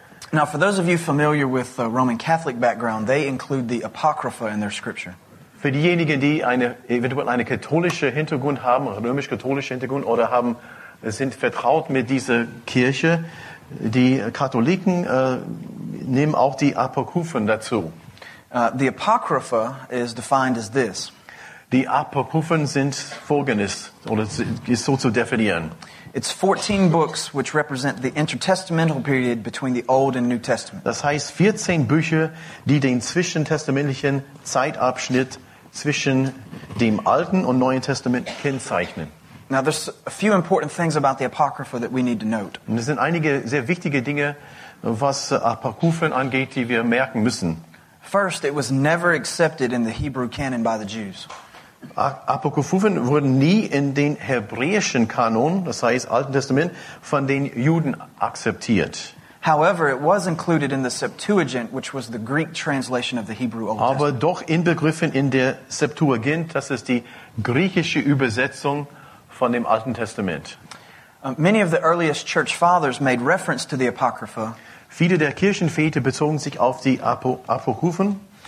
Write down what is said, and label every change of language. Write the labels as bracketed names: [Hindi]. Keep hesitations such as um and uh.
[English] Now, for those of you familiar with the Roman Catholic background, they include the Apocrypha in their scripture. [German] Für diejenigen, die eine eventuell eine katholische Hintergrund haben, römisch-katholische Hintergrund oder haben, sind vertraut mit dieser Kirche, die Katholiken äh, nehmen auch die Apokryphen dazu. [English] Uh, the Apocrypha is defined as this. [German] The Apokryphen sind folgendes, oder ist so zu definieren. [English] It's 14 books which represent the intertestamental period between the Old and New Testament. [German] Das heißt 14 Bücher, die den zwischentestamentlichen Zeitabschnitt zwischen dem Alten und Neuen Testament kennzeichnen. [English] Now there's a few important things about the Apocrypha that we need to note. [German] Und es sind einige sehr wichtige Dinge, was Apokryphen angeht, die wir merken müssen. [English] First, it was never accepted in the Hebrew canon by the Jews. [German] Apokryphen wurden nie in den hebräischen Kanon, das heißt Alten Testament, von den Juden akzeptiert. [English] However, it was included in the Septuagint, which was the Greek translation of the Hebrew Old Testament. [German] Aber doch inbegriffen in der Septuagint, das ist die griechische Übersetzung von dem Alten Testament. [English] many of the earliest church fathers made reference to the Apocrypha. [German] Viele der Kirchenväter bezogen sich auf die Apokryphen.